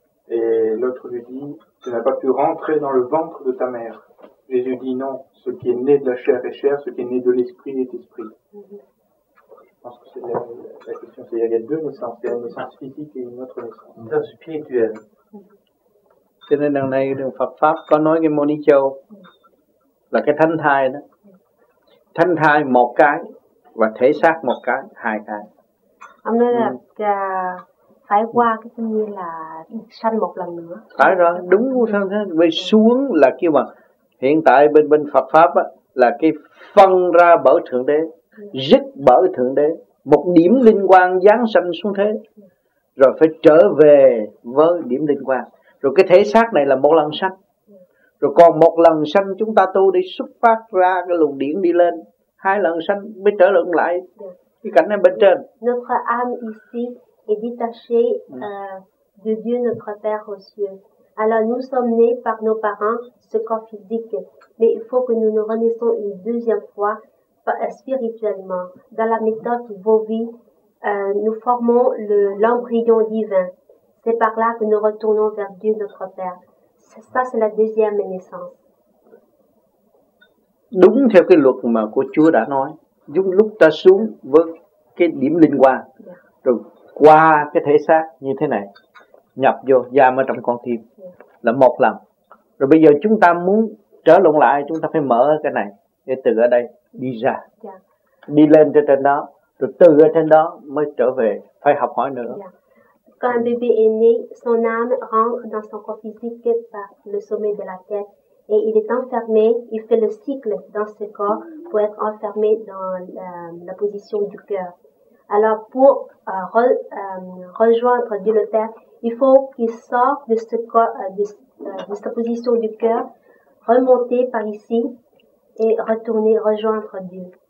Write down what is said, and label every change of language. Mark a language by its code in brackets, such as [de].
[fr] Et l'autre lui dit, tu n'as pas pu rentrer dans le ventre de ta mère. Jésus dit, non, ce qui est né de la chair est chair, ce qui est né de l'esprit est esprit. Je pense que c'est la question, c'est qu'il y a deux naissances, il y a une naissance physique et une autre naissance. Une naissance spirituelle. [vi] Cho nên đằng này, đằng Pháp có nói cái Môn Ni Châu, là cái thánh thai đó. Thánh thai một cái, và thể xác một cái, hai cái. Ông nói là... phải qua cái kinh nghiệm là sanh một lần nữa. Phải rồi, đúng không? Về xuống là kêu mà hiện tại bên Phật Pháp á, là cái phân ra bởi Thượng Đế, dứt bởi Thượng Đế, một điểm linh quan giáng sanh xuống thế, rồi phải trở về với điểm linh quan. Rồi cái thể xác này là một lần sanh, rồi còn một lần sanh chúng ta tu để xuất phát ra cái luồng điển đi lên, hai lần sanh mới trở lượng lại cái cảnh này bên trên. [fr] Notre âme ici est détaché de Dieu notre Père aux cieux. Alors nous sommes nés par nos parents, ce corps physique, mais il faut que nous nous renaissons une deuxième fois spirituellement. Dans la méthode Vovi, nous formons l'embryon divin. C'est par là que nous retournons vers Dieu notre Père. Ça, c'est la deuxième naissance. [vi] Đúng theo cái luật mà của Chúa đã nói, đúng lúc ta xuống với cái điểm linh quan, rồi qua cái thể xác như thế này, nhập vô giam ở trong con tim là một lần. Rồi bây giờ chúng ta muốn trở lộn lại, chúng ta phải mở cái này để từ ở đây đi ra, đi lên trên đó, rồi từ ở trên đó mới trở về, phải học hỏi nữa. [fr] Quand un bébé est né, son âme rentre dans son corps physique par le sommet de la tête et il est enfermé, il fait le cycle dans ce corps pour être enfermé dans la position du cœur. Alors pour rejoindre Dieu le Père, il faut qu'il sorte de ce corps, de sa position du cœur, remonter par ici et retourner, rejoindre Dieu.